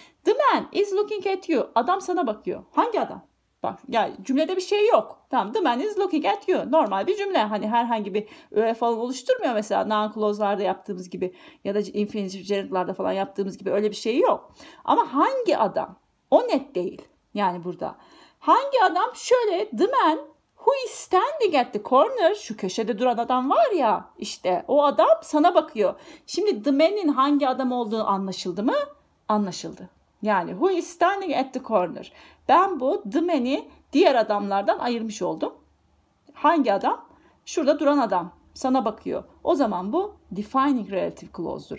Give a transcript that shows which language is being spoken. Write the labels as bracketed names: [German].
[English] The man is looking at you. [Turkish] Adam sana bakıyor. Hangi adam? Bak yani cümlede bir şey yok. Tamam, [English] the man is looking at you. [Turkish] Normal bir cümle. Hani herhangi bir öğe falan oluşturmuyor mesela noun clause'larda yaptığımız gibi ya da infinitive gerund'larda falan yaptığımız gibi öyle bir şey yok. Ama hangi adam? O net değil. Yani burada. Hangi adam? Şöyle [English] the man who is standing at the corner. [Turkish] Şu köşede duran adam var ya işte o adam sana bakıyor. Şimdi the man'in hangi adam olduğunu anlaşıldı mı? Anlaşıldı. Yani [English] who is standing at the corner. [Turkish] Ben bu the man'i diğer adamlardan ayırmış oldum. Hangi adam? şurada duran adam sana bakıyor. O zaman bu defining relative clause'dur.